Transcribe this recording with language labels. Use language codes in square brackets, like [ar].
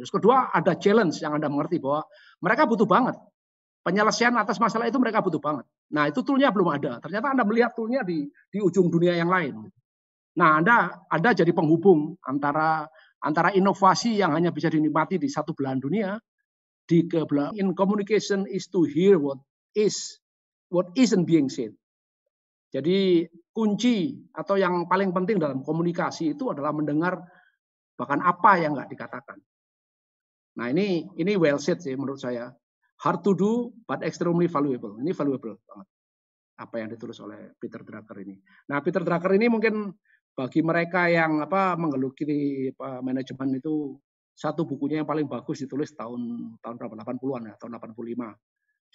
[id] Terus kedua, ada challenge yang Anda mengerti bahwa mereka butuh banget. Penyelesaian atas masalah itu mereka butuh banget. Nah, itu tool-nya belum ada. Ternyata Anda melihat tool-nya di ujung dunia yang lain. Nah, Anda jadi penghubung antara inovasi yang hanya bisa dinikmati di satu belahan dunia, di kebelahan. [en] In communication is to hear what isn't being said. [id] Jadi, kunci atau yang paling penting dalam komunikasi itu adalah mendengar bahkan apa yang nggak dikatakan. Nah, ini [en] well said [id] sih menurut saya. [en] Hard to do, but extremely valuable. [id] Ini valuable banget. Apa yang ditulis oleh Peter Drucker ini. Nah, Peter Drucker ini mungkin bagi mereka yang menggeluti manajemen itu, satu bukunya yang paling bagus ditulis tahun 80-an, ya, tahun 85.